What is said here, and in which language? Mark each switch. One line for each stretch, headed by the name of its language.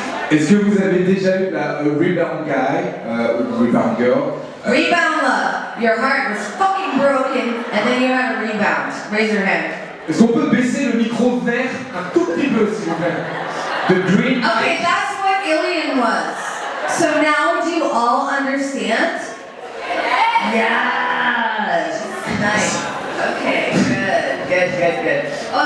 French: Est-ce que vous avez déjà eu
English: a rebound guy, rebound girl? Rebound love. Your heart was fucking broken, and then you had a rebound. Raise your hand.
French: Est-ce qu'on peut baisser le micro vert un tout petit peu, s'il vous plaît?
English: The green. Okay, that's what Ilian was. So now, do you all understand? Yes. Nice. Okay, good. Oh,